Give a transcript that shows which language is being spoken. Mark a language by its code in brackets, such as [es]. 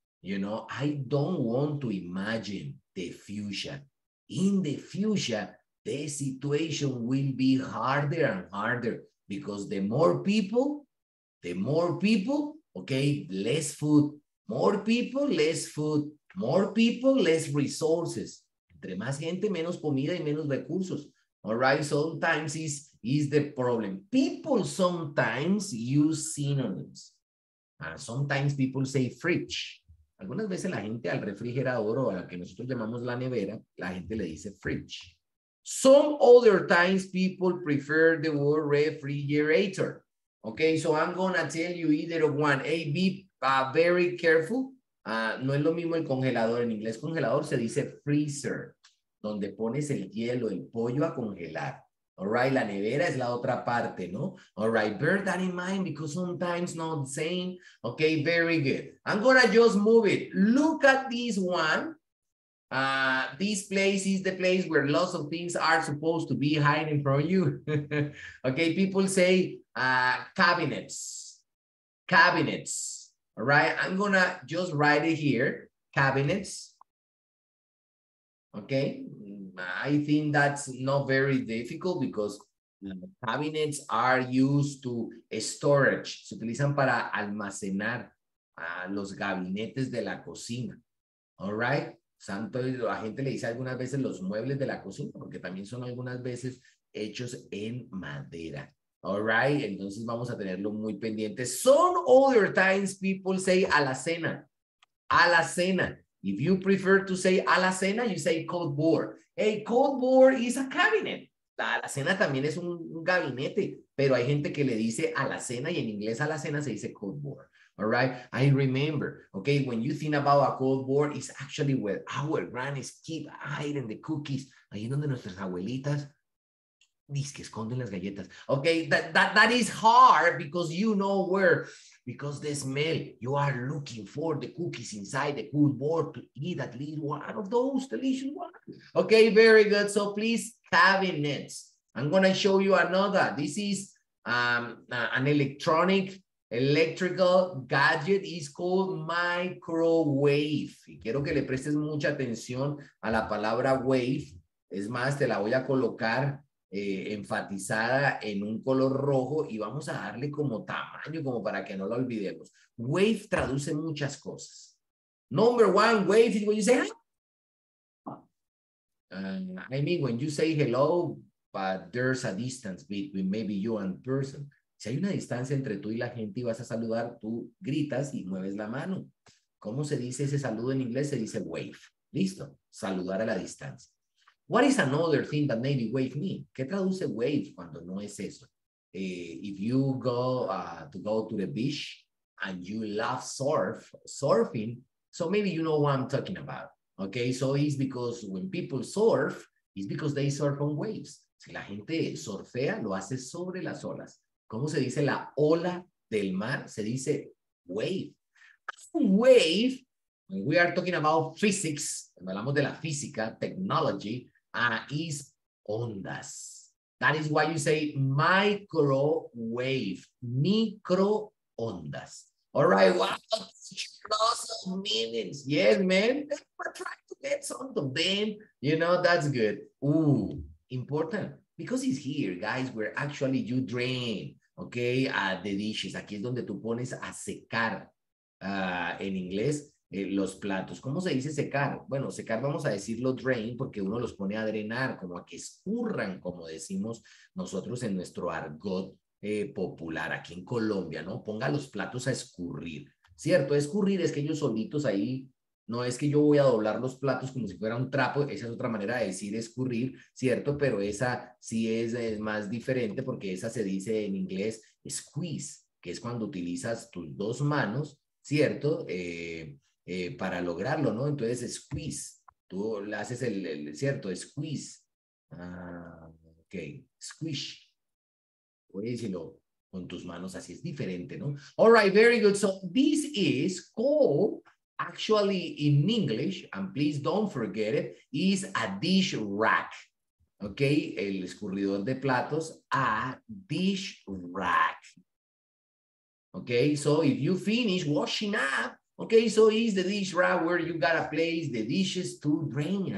[en] You know, I don't want to imagine the future. In the future, the situation will be harder and harder because the more people, okay, less food. More people, less food. More people, less resources. [es] Entre más gente, menos comida y menos recursos. [en] All right, sometimes is the problem. People sometimes use synonyms. Sometimes people say fridge. [es] Algunas veces la gente al refrigerador o a la que nosotros llamamos la nevera, la gente le dice fridge. [en] Some other times people prefer the word refrigerator. Okay, so I'm gonna tell you either one. A, B, very careful. [es] No es lo mismo el congelador. En inglés congelador se dice freezer, donde pones el hielo, el pollo a congelar. [en] All right, [es] la nevera es la otra parte, ¿no? [en] All right, bear that in mind because sometimes not the same. Okay, very good. I'm gonna just move it. Look at this one. This place is the place where lots of things are supposed to be hiding from you. Okay, people say cabinets. Cabinets. All right, I'm gonna just write it here. Cabinets. Okay. I think that's not very difficult because cabinets are used to storage. [es] Se utilizan para almacenar los gabinetes de la cocina. [en] All right. [es] Santo, la gente le dice algunas veces los muebles de la cocina porque también son algunas veces hechos en madera. [en] All right. [es] Entonces vamos a tenerlo muy pendiente. [en] Some other times people say alacena. Alacena. If you prefer to say alacena, you say cupboard. A cupboard is a cabinet. [es] La alacena también es un gabinete, pero hay gente que le dice alacena y en inglés alacena se dice cupboard. [en] All right? I remember, okay, when you think about a cupboard, it's actually where our grannies keep hiding the cookies. [es] Ahí es donde nuestras abuelitas dizque esconden las galletas. [en] Okay, that is hard because you know where. Because the smell, you are looking for the cookies inside the cupboard to eat at least one of those delicious ones. Okay, very good. So please, cabinets. I'm going to show you another. This is an electrical gadget. It's called microwave. [es] Y quiero que le prestes mucha atención a la palabra wave. Es más, te la voy a colocar enfatizada en un color rojo y vamos a darle como tamaño como para que no lo olvidemos. Wave traduce muchas cosas. [en] Number one, wave is when you say I mean when you say hello but there's a distance between maybe you and person. [es] Si hay una distancia entre tú y la gente y vas a saludar, tú gritas y mueves la mano. ¿Cómo se dice ese saludo en inglés? Se dice wave. Listo, saludar a la distancia. [en] What is another thing that maybe wave mean? [es] ¿Qué traduce wave cuando no es eso? [en] If you go to go to the beach and you love surfing, so maybe you know what I'm talking about. Okay, so it's because when people surf, it's because they surf on waves. [es] Si la gente surfea, lo hace sobre las olas. ¿Cómo se dice la ola del mar? Se dice wave. [en] Wave, when we are talking about physics, [es] cuando hablamos de la física, [en] technology, is ondas. That is why you say microwave, microondas. All right, wow, lots of meanings. Yes, man, we're trying to get some of them. You know, that's good. Ooh, important. Because it's here, guys, where actually you drain, okay, the dishes. [es] Aquí es donde tú pones a secar, en inglés. Los platos. ¿Cómo se dice secar? Bueno, secar vamos a decirlo drain porque uno los pone a drenar, como a que escurran, como decimos nosotros en nuestro argot popular aquí en Colombia, ¿no? Ponga los platos a escurrir, ¿cierto? Escurrir es que ellos solitos ahí, no es que yo voy a doblar los platos como si fuera un trapo, esa es otra manera de decir escurrir, ¿cierto? Pero esa sí es más diferente porque esa se dice en inglés squeeze, que es cuando utilizas tus dos manos, ¿cierto? Para lograrlo, ¿no? Entonces, squeeze. Tú le haces el ¿cierto? Squeeze. [en] Ok. Squish. [es] Puedes decirlo con tus manos, así es diferente, ¿no? [en] All right, very good. So, this is called, actually, in English, and please don't forget it, is a dish rack. [es] Ok, el escurridor de platos, a dish rack. [en] Okay, so if you finish washing up, okay, so is the dish rack where you gotta place the dishes to drain.